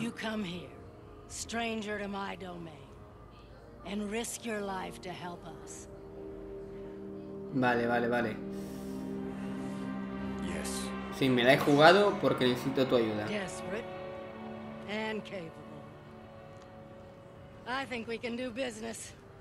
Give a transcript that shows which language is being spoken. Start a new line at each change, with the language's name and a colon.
English: You come here, stranger to my domain, and risk your life to help us.
Spanish: Vale, vale, vale.
English: Yes.
Spanish: Sí, me la he jugado porque necesito tu ayuda.
English: Desperate and capable. I think we can do business.